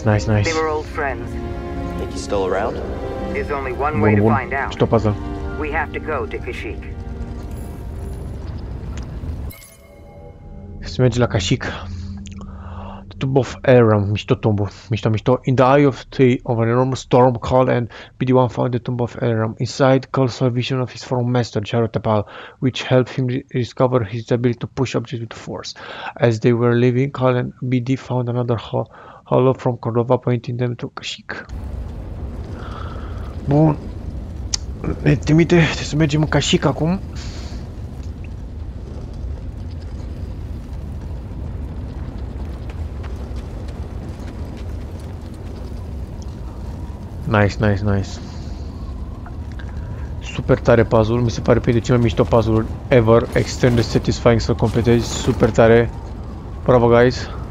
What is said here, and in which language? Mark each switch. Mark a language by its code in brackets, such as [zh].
[en] They were old friends. Think he's still around? There's only one way to find out. [ro] Stop asta. [en] We have to go to Kashyyyk. [ro] Să mergem la Kashyyyk. Tomb of Aram, mișto tombul, mișto. [en] In the eye of the of an enormous storm called and BD-1 found the tomb of Aram. Inside, Cole saw a vision of his former master, Jarrow Tapal, which helped him discover his ability to push objects with force. As they were leaving, Cole and BD found another hollow from Cordova pointing them to Kashyyyk. [ro] Bun. Ne trimite, trebuie să mergem în Kashyyyk acum. Nice. Super tare puzzle, mi se pare pe de cel mai mișto puzzle [en] ever, [ro] extrem de satisfying să-l completezi, super tare. Bravo, guys.